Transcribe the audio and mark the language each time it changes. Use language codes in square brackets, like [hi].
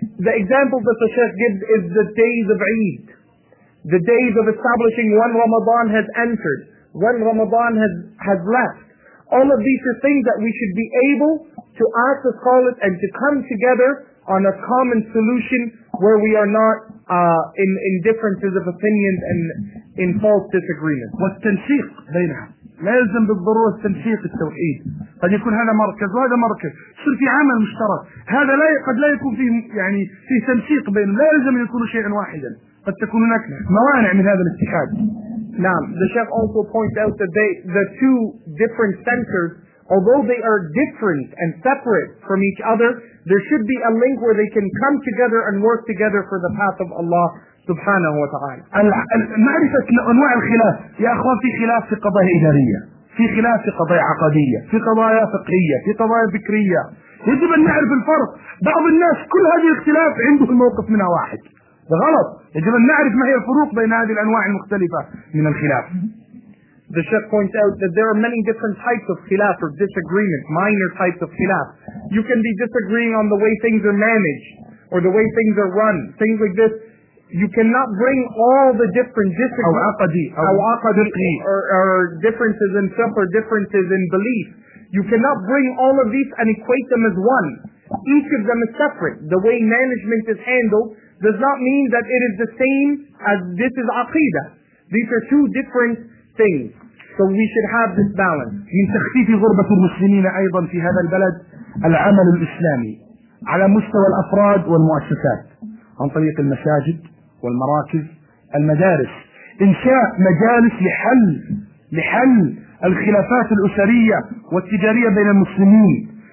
[en] The example that the Sheikh gives is the days of Eid. The days of establishing when Ramadan has entered, when Ramadan has left. All of these are things that we should be able to ask the scholars and to come together on a common solution where we are not in differences of opinions and in false disagreements. [ar] والتنسيق بينها لا يلزم بالضرورة التنسيق التوحيد. قد يكون هذا مركز وهذا مركز. يصير في عمل مشترك. هذا لا قد لا يكون فيه يعني في تنسيق بينهم. لا يلزم أن يكونوا شيئا واحدا. قد تكون هناك موانع من هذا الاتحاد. نعم. [en] The Sheikh also points out that the two different centers, although they are different and separate from each other, there should be a link where they can come together and work together for the path of Allah [ar] سبحانه وتعالى. معرفة أنواع الخلاف يا أخوان, في خلاف في قضايا إدارية, في خلاف في قضايا عقدية, في قضايا فقهية, في قضايا ذكرية. يجب أن نعرف الفرق. بعض الناس كل هذه الاختلاف عنده الموقف منها واحد, غلط. يجب أن نعرف ما هي الفروق بين هذه الأنواع المختلفة من الخلاف. [en] The Sheikh points out that there are many different types of khilaf or disagreement, minor types of khilaf. You can be disagreeing on the way things are managed or the way things are run, things like this. You cannot bring all the different differences or differences in fiqh or differences in belief. You cannot bring all of these and equate them as one. Each of them is separate. The way management is handled does not mean that it is the same as this is aqidah. These are two different things. So we should have this balance. [ar] من تخفيف غربة المسلمين أيضا في هذا البلد العمل الإسلامي على مستوى الأفراد والمؤسسات عن طريق المساجد والمراكز المدارس, إنشاء مجالس لحل الخلافات الأسرية والتجارية بين المسلمين.